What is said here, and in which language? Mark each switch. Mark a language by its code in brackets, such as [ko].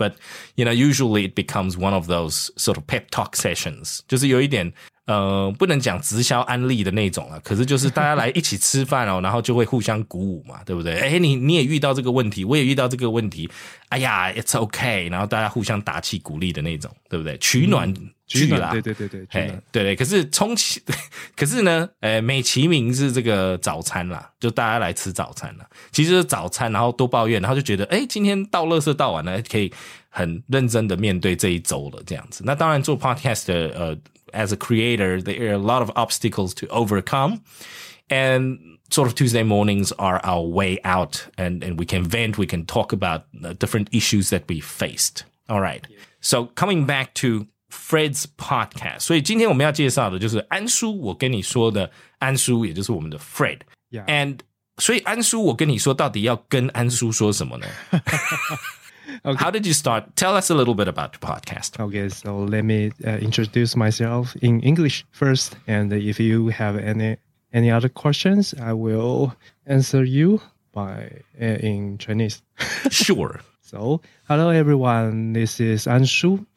[en] But, you know, usually it becomes one of those sort of pep talk sessions. [zh] 就是有一点不能讲直销安利的那种啦，可是就是大家来一起吃饭哦，然后就会互相鼓舞嘛，对不对？诶，你也遇到这个问题，我也遇到这个问题，哎呀 [en] it's okay， [zh] 然后大家互相打气鼓励的那种，对不对？取暖取暖啦，对对对对，取暖，对对。可是美其名是这个早餐啦，就大家来吃早餐啦，其实是早餐，然后多抱怨，然后就觉得诶，今天倒垃圾倒完了，可以很认真的面对这一周了，这样子。那当然做 podcast 的 [en] As a creator, there are a lot of obstacles to overcome. And sort of Tuesday mornings are our way out. And we can vent, we can talk about the different issues that we faced. All right. So coming back to Fred's podcast. [zh] 所以今天我们要介绍的就是安叔我跟你说的安叔，也就是我们的 Fred. [en] Yeah. [zh] And 所以安叔我跟你说到底要跟安叔说什么呢? [en] Okay. How did you start? Tell us a little bit about the podcast. Okay, so let me introduce myself in English first. And if you have any other questions, I will answer you in Chinese. Sure. So, hello everyone. This is An Shu.